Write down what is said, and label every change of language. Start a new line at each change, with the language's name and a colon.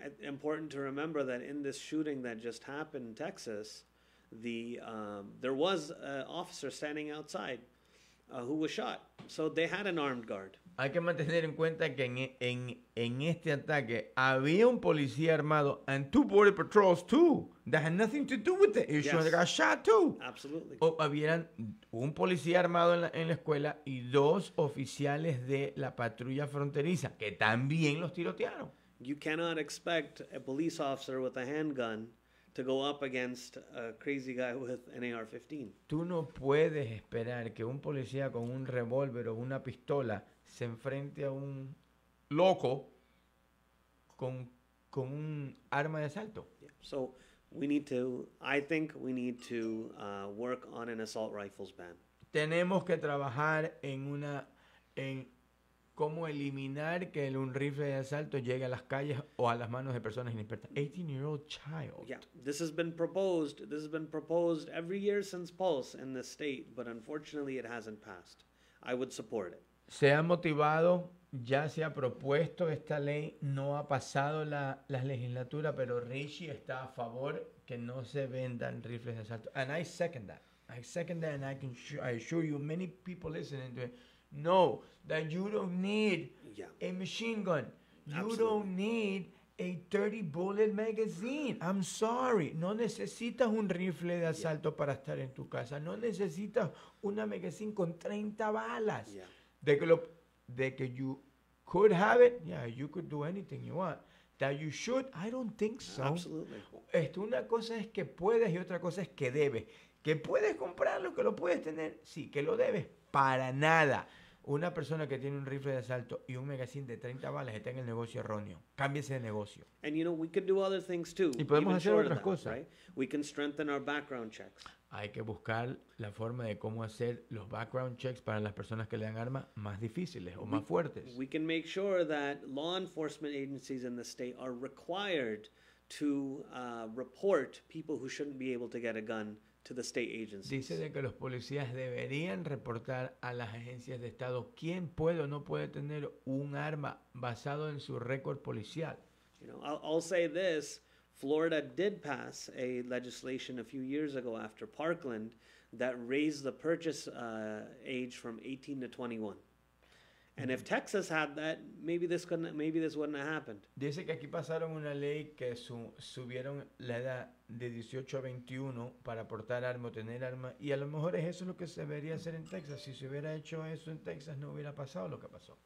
English: Important to remember that in this shooting that just happened in Texas, the there was an officer standing outside who was shot. So they had an armed guard.
Spanish: Hay que mantener en cuenta que en este ataque había un policía armado
English: and two border patrols too. That had nothing to do with the issue. Yes. They got shot too. Absolutely.
Spanish: O habían un policía armado en la escuela y dos oficiales de la patrulla fronteriza que también los tirotearon.
English: You cannot expect a police officer with a handgun to go up against a crazy guy with an AR-15.
Spanish: Tú no puedes esperar que un policía con un revólver o una pistola se enfrente a un loco con un arma de asalto.
English: Yeah. So we need to, I think we need to work on an assault rifles ban.
Spanish: Tenemos que trabajar en cómo eliminar que un rifle de asalto llegue a las calles o a las manos de personas inexpertas.
English: 18-year-old child. Yeah, this has been proposed every year since Pulse in the state, but unfortunately it hasn't passed. I would support it.
Spanish: Se ha motivado, ya se ha propuesto esta ley, no ha pasado la legislatura, pero Richie está a favor que no se vendan rifles de asalto.
English: And I second that. I second that, and I assure you, many people listening to it know that you don't need a machine gun. You don't need a 30-bullet magazine. I'm sorry.
Spanish: No necesitas un rifle de asalto para estar en tu casa. No necesitas una magazine con 30 balas.
English: Yeah.
Spanish: De que
English: you could have it, yeah, you could do anything you want. That you should, I don't think so. Absolutely.
Spanish: Una cosa es que puedes y otra cosa es que debes. Que puedes comprarlo, que lo puedes tener, sí, que lo debes, para nada. Una persona que tiene un rifle de asalto y un magazine de 30 balas está en el negocio erróneo. Cámbiese de negocio.
English: And you know, we could do other things too.
Spanish: Y podemos hacer otras cosas.
English: Right? We can strengthen our background checks.
Spanish: Hay que buscar la forma de cómo hacer los background checks para las personas que le dan armas más difíciles o más fuertes.
English: We can make sure that law enforcement agencies in the state are required to report people who shouldn't be able to get a gun to the state agencies.
Spanish: Dice de que los policías deberían reportar a las agencias de estado quién puede o no puede tener un arma basado en su récord policial.
English: You know, I'll say this. Florida did pass a legislation a few years ago after Parkland that raised the purchase age from 18 to 21. And if Texas had that, maybe this wouldn't have happened.
Spanish: Dice que aquí pasaron una ley que subieron la edad de 18 a 21 para portar arma o tener arma. Y a lo mejor es eso lo que se debería hacer en Texas. Si se hubiera hecho eso en Texas, no hubiera pasado lo que pasó.